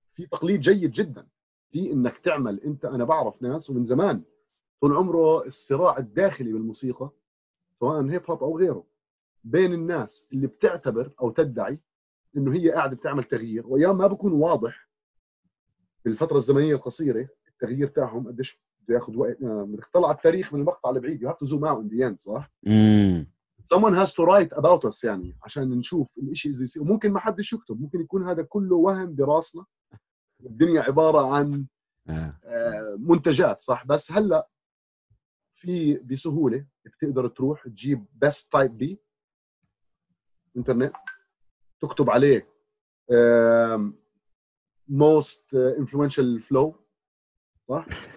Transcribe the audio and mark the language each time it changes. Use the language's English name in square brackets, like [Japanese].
[Arabic] في تقليد جيد جدا في انك تعمل انت. انا بعرف ناس ومن زمان طول عمره الصراع الداخلي بالموسيقى سواء هيب هوب او غيره بين الناس اللي بتعتبر او تدعي انه هي قاعدة بتعمل تغيير، وايام ما بكون واضح بالفترة الزمنية القصيرة التغيير تاعهم قديش بده ياخذ وقت. بتطلع التاريخ من المقطع البعيد، [English] you have to zoom out in the end [Arabic] صح. [English] Someone has to write about us [Arabic] يعني عشان نشوف الإشي إذا يصير. ممكن ما حدش يكتب، ممكن يكون هذا كله وهم براسنا. الدنيا عبارة عن منتجات صح. بس هلأ في بسهولة بتقدر تروح تجيب best type B انترنت، تكتب عليه [English] most influential flow [Arabic] صح.